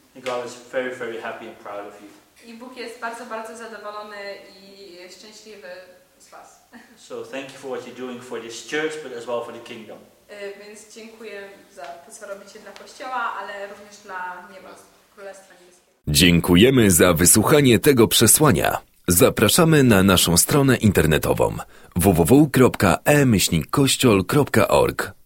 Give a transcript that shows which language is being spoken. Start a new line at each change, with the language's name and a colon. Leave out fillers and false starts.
English: God is very, very happy and proud of you.
Polish: I Bóg jest bardzo, bardzo zadowolony i szczęśliwy.
English: So thank you for what you're doing for this church, but as well for the kingdom.
Polish: Więc dziękuję za to, co robicie dla kościoła, ale również dla nieba, królestwa niebieskiego. Dziękujemy za wysłuchanie tego przesłania. Zapraszamy na naszą stronę internetową www.e-kościol.org.